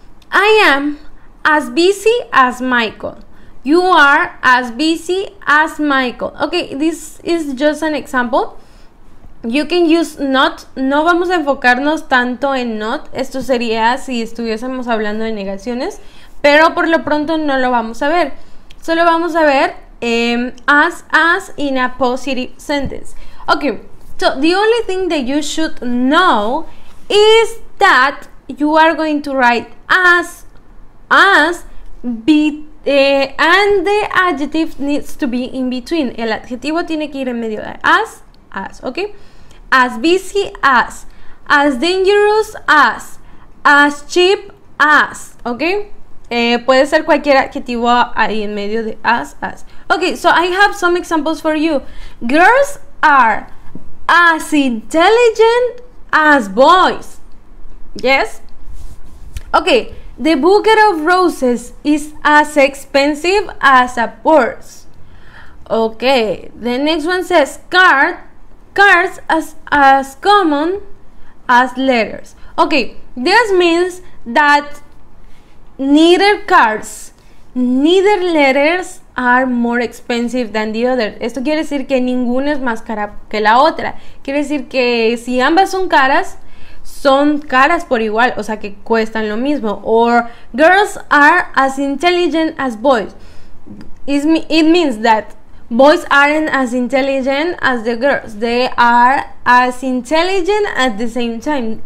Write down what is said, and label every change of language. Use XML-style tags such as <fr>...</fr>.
<en>I am as busy as Michael. You are as busy as Michael. Okay, this is just an example. You can use not.</en> <es>No vamos a enfocarnos tanto en not. Esto sería si estuviésemos hablando de negaciones, pero por lo pronto no lo vamos a ver. Solo vamos a ver</es> <en>as in a positive sentence. Okay, so the only thing that you should know is that you are going to write as, and the adjective needs to be in between.</en> <es>El adjetivo tiene que ir en medio de as, okay?</es> <en>As busy as dangerous as cheap as,</en> <es>okay? Puede ser cualquier adjetivo ahí en medio de as.</es> <en>Okay, so I have some examples for you. Girls are as intelligent as boys. Yes? Okay, the bouquet of roses is as expensive as a purse. Okay, the next one says cards as common as letters. Okay, this means that neither cards, neither letters are more expensive than the other.</en> <es>Esto quiere decir que ninguna es más cara que la otra. Quiere decir que si ambas son caras por igual, o sea que cuestan lo mismo.</es> <en>Or girls are as intelligent as boys. It means that boys aren't as intelligent as the girls. They are as intelligent at the same time.</en>